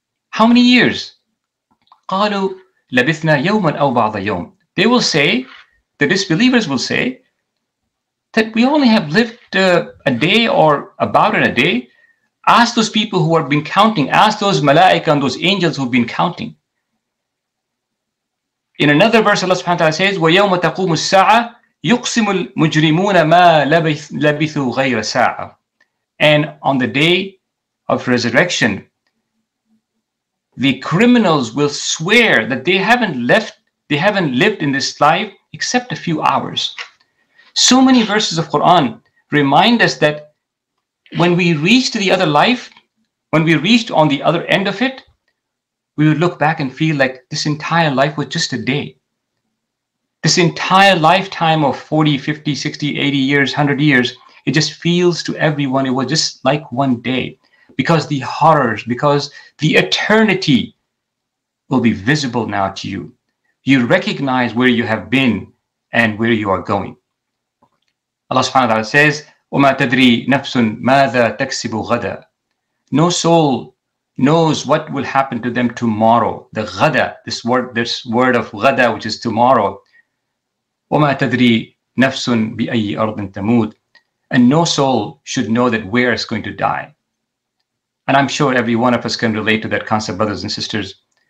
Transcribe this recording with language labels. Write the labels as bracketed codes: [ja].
[en] How many years? [ar] قَالُوا لَبِثْنَا يَوْمًا أَوْ بَعْضَ يَوْمٍ. [en] They will say, the disbelievers will say, that we only have lived a day or about in a day. Ask those people who have been counting. Ask those malaika and those angels who have been counting. In another verse, Allah subhanahu wa ta'ala says, [ar] وَيَوْمَ تَقُومُ السَّاعَةِ يُقْسِمُ الْمُجْرِمُونَ مَا لَبِثُوا غَيْرَ سَاعَةً. [en] And on the day of resurrection, the criminals will swear that they haven't lived in this life except a few hours. So many verses of Quran remind us that when we reach to the other life, when we reached on the other end of it, we would look back and feel like this entire life was just a day. This entire lifetime of 40, 50, 60, 80 years, 100 years, it just feels to everyone it was just like one day, because the horrors, because the eternity will be visible now to you. You recognize where you have been and where you are going. Allah subhanahu wa ta'ala says, [ar] وَمَا تَدْرِي نَفْسٌ مَاذَا تَكْسِبُ غَدَى. [en] No soul knows what will happen to them tomorrow. The ghada, this word of ghada, which is tomorrow. [ar] وَمَا تَدْرِي نَفْسٌ بِأَيِّ أَرْضٍ تَمُوتٍ. [en] And no soul should know that where it's going to die. And I'm sure every one of us can relate to that concept, brothers and sisters.